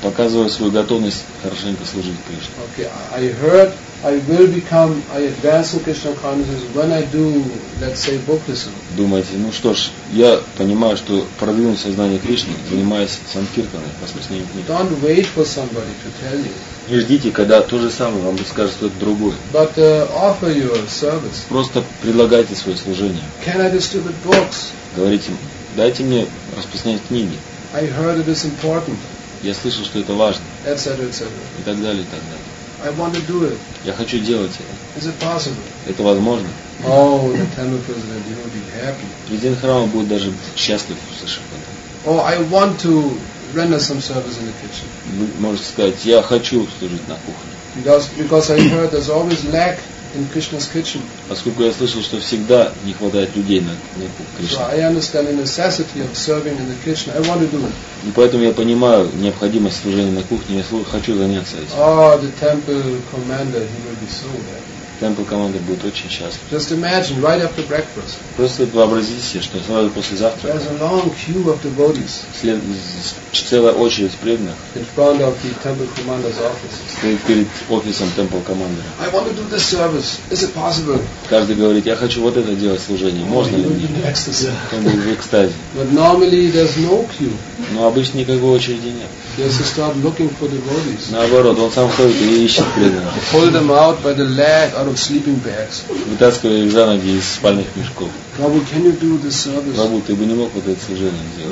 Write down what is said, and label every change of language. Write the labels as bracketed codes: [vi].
[ru] Показывая свою готовность хорошенько служить Кришне. [en] Okay, I heard I will become, I advance in Krishna consciousness when I do, let's say, book listening. [ru] Думаете, ну что ж, я понимаю, что продвинуть сознание Кришны, занимаясь санкиртаной, посвящением книг. [en] Don't wait for somebody to tell you. [ru] Не ждите, когда то же самое вам скажет кто-то другой. [en] But offer your service. [ru] Просто предлагайте свое служение. [en] Can I distribute books? [ru] Говорите, дайте мне распространять книги. [en] I heard it is important. [ru] Я слышал, что это важно. [en] Et cetera, et cetera. [ru] И так далее, и так далее. [en] I want to do it. [ru] Я хочу делать это. [en] Is it possible? [ru] Это возможно? [en] Oh, the temple president, you will be happy. [ru] Президент храма будет даже счастлив услышав это. [en] Oh, I want to render some service in the kitchen. [ru] Вы можете сказать, я хочу служить на кухне. [en] Because I heard there's always lack in Krishna's kitchen. [ru] Поскольку я слышал, что всегда не хватает людей на Кришне. [en] So I understand the necessity of serving in the kitchen. I want to do it. [ru] И поэтому я понимаю необходимость служения на кухне. Я хочу заняться этим. [en] Oh, the temple commander, he will be so happy. [ru] Temple commander будет очень счастлив. [en] Just imagine, right after breakfast. [ru] Просто вообразите себе, что сразу после завтрака. [en] There's a long queue of devotees. [ru] Целая очередь преданных. [en] In front of the temple commander's office. [ru] Стоит перед офисом temple commander. [en] I want to do this service. Is it possible? [ru] Каждый говорит, я хочу вот это делать служение. Можно ли? Он будет в экстазе. [en] But normally there's no queue. [ru] Но обычно никакой очереди нет. [en] He has to start looking for the devotees. [ru] Наоборот, он сам ходит и ищет преданных. [en] Pull them out by the leg out of sleeping bags. [ru] Вытаскивая их за ноги из спальных мешков. [en] Prabhu, can you do this service? [ru] Prabhu, ты бы не мог вот это служение сделать.